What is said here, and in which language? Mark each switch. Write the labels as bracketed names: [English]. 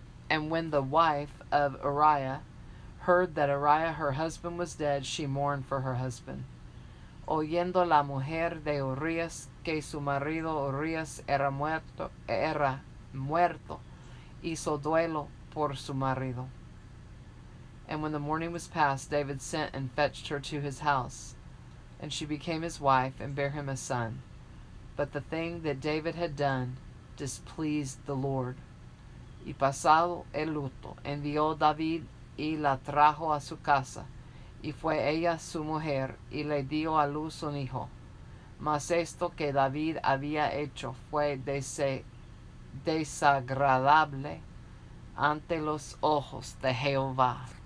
[English] And when the wife of Uriah heard that Uriah, her husband, was dead, she mourned for her husband. [Spanish] Oyendo la mujer de Urias que su marido Urias era muerto, hizo duelo por su marido. [English] And when the morning was past, David sent and fetched her to his house, and she became his wife and bare him a son. But the thing that David had done displeased the Lord. [Spanish] Y pasado el luto, envió David y la trajo a su casa. Y fue ella su mujer, y le dio a luz un hijo. Mas esto que David había hecho fue desagradable ante los ojos de Jehová.